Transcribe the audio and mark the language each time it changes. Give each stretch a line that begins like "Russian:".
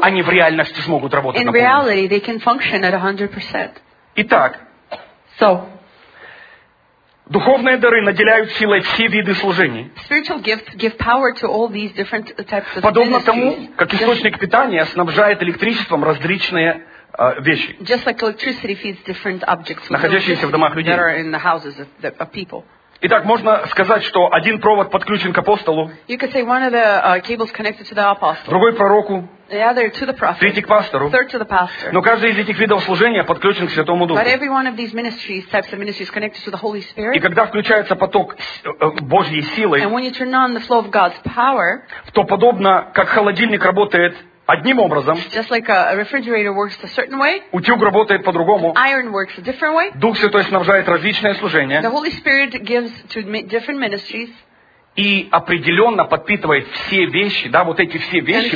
Russian: они в реальности смогут работать.
English: In reality, they can function at 100%.
Russian: Итак,
English: so,
Russian: духовные дары наделяют силой все виды служений.
English: Spiritual gifts give power to all these different types of
Russian: подобно
English: ministries,
Russian: тому, как источник
English: just,
Russian: питания снабжает электричеством различные вещи,
English: just like electricity feeds different objects,
Russian: находящиеся в домах людей.
English: That are in the houses of the, of people.
Russian: Итак, можно сказать, что один провод подключен к апостолу,
English: you could say one of the, cables connected to the apostle,
Russian: другой пророку,
English: the other to the prophet,
Russian: третий к пастору,
English: third to the pastor.
Russian: Но каждый из этих видов служения подключен к Святому Духу.
English: But every one of these ministries, types of ministries, connected to the Holy Spirit.
Russian: И когда включается поток Божьей силы,
English: and when you turn on the flow of God's power,
Russian: то подобно, как холодильник работает одним образом,
English: just like a refrigerator works a certain way,
Russian: утюг работает по-другому,
English: iron works a different way,
Russian: Дух Святой снабжает различные служения,
English: the Holy Spirit gives to different ministries,
Russian: и определенно подпитывает все вещи, да, вот эти все вещи